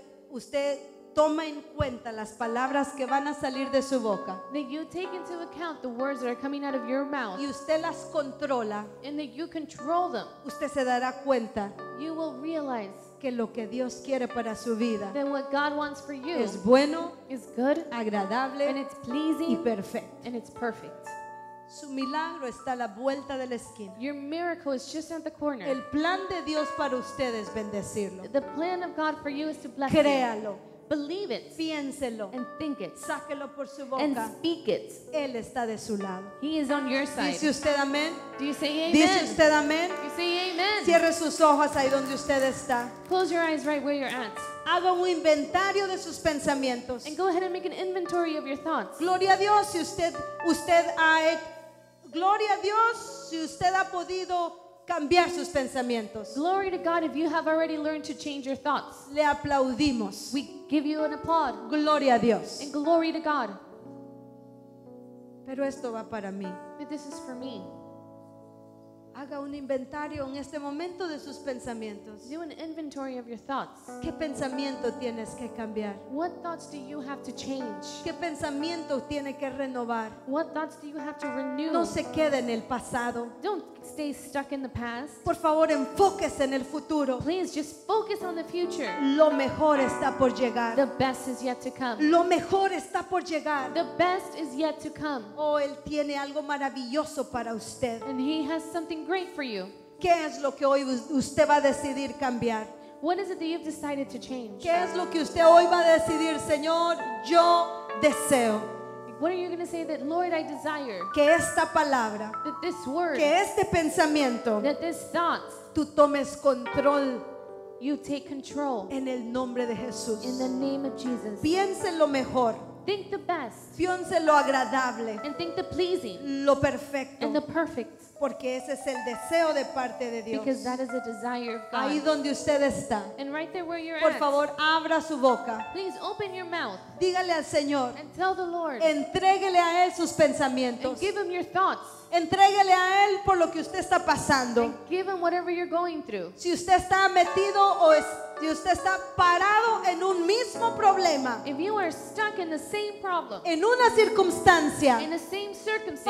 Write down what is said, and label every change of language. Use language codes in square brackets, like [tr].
[es] usted toma en cuenta las palabras que van a salir de su boca, [en] that you take into account the words that are coming out of your mouth, [es] y usted las controla, [en] and that you control them, [es] usted se dará cuenta, [en] you will realize. [es] Que lo que Dios quiere para su vida [en] then what God wants for you [es] es bueno, [en] is good, [es] agradable [en] and it's pleasing, [es] y perfecto. [en] And it's perfect. [es] Su milagro está a la vuelta de la esquina. [en] Your miracle is just at the corner. [es] El plan de Dios para usted es bendecirlo. [en] The plan of God for you is to bless [es] Créalo. [en] You. Believe it. [es] Piénselo. [en] And think it. [es] Sáquelo por su boca. [en] And speak it. [es] Él está de su lado. [en] He is on your side. [es] ¿Dice usted amén? [en] Do you say amen? [es] ¿Dice usted amén? [en] You say amen. [es] Cierre sus ojos ahí donde usted está. [en] Close your eyes right where you're at. [es] Haga un inventario de sus pensamientos. [en] And go ahead and make an inventory of your thoughts. [es] Gloria a Dios si usted ha Gloria a Dios si usted ha podido cambiar sus pensamientos. [en] Glory to God if you have already learned to change your thoughts. [es] Le aplaudimos. [en] We give you an applaud. [es] Gloria a Dios. [en] And glory to God. [es] Pero esto va para mí. [en] But this is for me. [es] Haga un inventario en este momento de sus pensamientos. [en] Do an inventory of your thoughts. [es] ¿Qué pensamiento tienes que cambiar? [en] What thoughts do you have to change? [es] ¿Qué pensamiento tiene que renovar? [en] What thoughts do you have to renew? [es] No se quede en el pasado. [en] Don't stay stuck in the past. [es] Por favor, enfóquese en el futuro. [en] Please just focus on the future. [es] Lo mejor está por llegar. [en] The best is yet to come. [es] Lo mejor está por llegar. [en] The best is yet to come. [es] Oh, él tiene algo maravilloso para usted. [en] And he has something great for you. [es] ¿Qué es lo que hoy usted va a decidir cambiar? [en] What is it that you've decided to change? [es] ¿Qué es lo que usted hoy va a decidir, Señor? Yo deseo. [en] What are you going to say that, Lord, I desire? [es] Que esta palabra, [en] that this word, [es] que este pensamiento, [en] that this thought, [es] tú tomes control. [en] You take control. [es] En el nombre de Jesús. [en] In the name of Jesus. [es] Piense lo mejor. [en] Think the best. [es] Piense lo agradable. [en] And think the pleasing. [es] Lo perfecto. [en] And the perfect. [es] Porque ese es el deseo de parte de Dios. [en] Because that is the desire of God. [es] Ahí donde usted está. [en] And right there where you're [es] por favor, [en] at. [es] Abra su boca. [en] Please open your mouth. [es] Dígale al Señor. [en] And tell the Lord. [es] Entréguele a Él sus pensamientos. [en] And give Him your thoughts. [es] Entréguele a él por lo que usted está pasando. [en] And give him whatever you're going through. [es] Si usted está metido o si usted está parado en un mismo problema. [en] If you are stuck in the same problem. [es] En una circunstancia. [en] In the same circumstance.